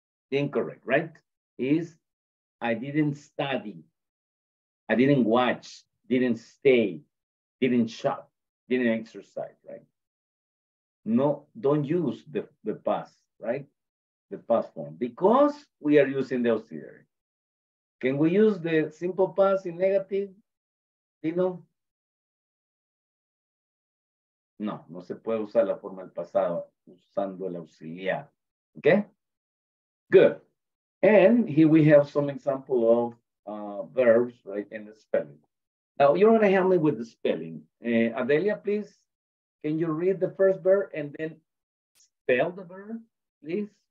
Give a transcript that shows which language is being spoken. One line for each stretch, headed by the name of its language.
English: Incorrect, right? Is I didn't study, I didn't watch, didn't stay, didn't shop, didn't exercise, right? No, don't use the past, right? The past form, because we are using the auxiliary. OK? Can we use the simple past in negative? Dino?
Spanish: No, no se puede usar la forma del pasado usando el auxiliar.
English: Okay? Good. And here we have some example of verbs, right, and the spelling. Now, you're going to help me with the spelling. Adelia, please, can you read the first verb and then spell the verb, please?